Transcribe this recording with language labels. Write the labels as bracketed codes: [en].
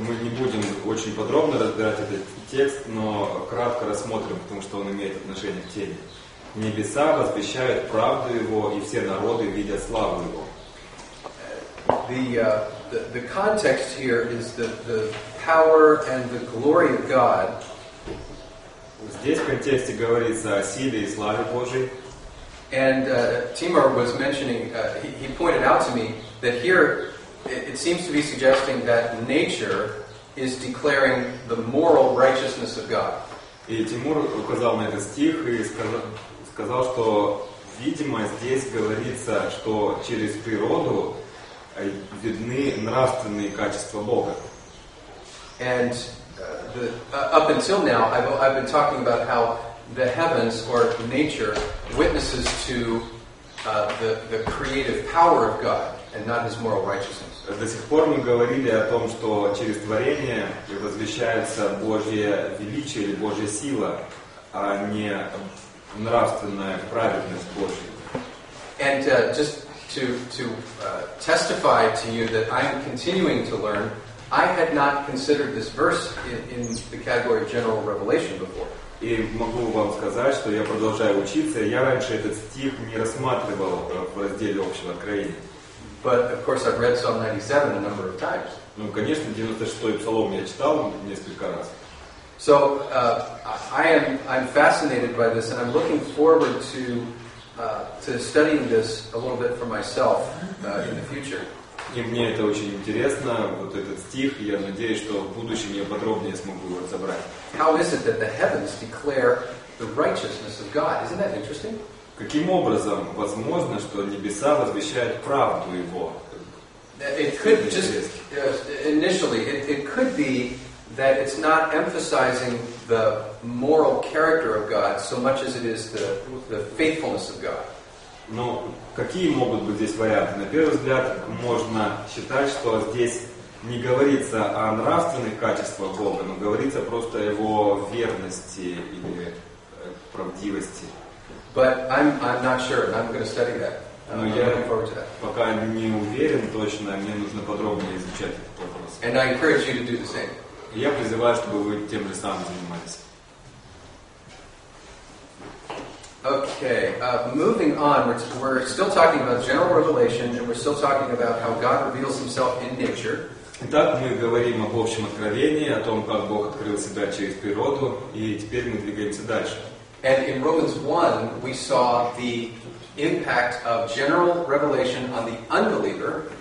[ru] Мы не будем очень подробно разбирать этот текст, но кратко рассмотрим, потому что он имеет отношение к теме. Небеса возвещают правду Его, и все народы видят славу Его. [en] The context here is the power and the glory of God. [ru] Здесь в контексте говорится о силе и славе Божьей. [en] And Timur was mentioning, he pointed out to me that here it seems to be suggesting that nature is declaring the moral righteousness of God. [ru] И Тимур указал на этот стих и сказал, что видимо здесь говорится, что через природу видны нравственные качества Бога. [en] And up until now, I've been talking about how the heavens or nature witnesses to the creative power of God and not His moral righteousness. [ru] До сих пор мы говорили о том, что через творение возвещается Божье величие или Божья сила, а не нравственная праведность Божья. [en] And to testify to you that I'm continuing to learn, I had not considered this verse in the category of general revelation before. [ru] И могу вам сказать, что я продолжаю учиться, я раньше этот стих не рассматривал в разделе общего откровения. [en] But of course I've read Psalm 97 a number of times. [ru] Ну, конечно, 96-й псалом я читал несколько раз. [en] So I'm fascinated by this, and I'm looking forward to studying this a little bit for myself in the future. [ru] И мне это очень интересно, вот этот стих, я надеюсь, что в будущем я подробнее смогу его разобрать. [en] How is it that the heavens declare the righteousness of God? Isn't that interesting? [ru] Каким образом возможно, что небеса возвещают правду Его? [en] It could be that it's not emphasizing the moral character of God so much as it is the faithfulness of God. [ru] Но какие могут быть здесь варианты? На первый взгляд, можно считать, что здесь не говорится о нравственных качествах Бога, но говорится просто о Его верности или правдивости. [en] But I'm not sure, and I'm going to study that. [ru] Но я пока не уверен точно, мне нужно подробнее изучать этот вопрос. [en] And I encourage you to do the same. [ru] И я призываю, чтобы вы тем же самым занимались. [en] Okay, moving on, we're still talking about general revelation, and we're still talking about how God reveals himself in nature. [ru] Итак, мы говорим об общем откровении, о том, как Бог открыл себя через природу, и теперь мы двигаемся дальше. [en] And in Romans 1, we saw the impact of general revelation on the unbeliever.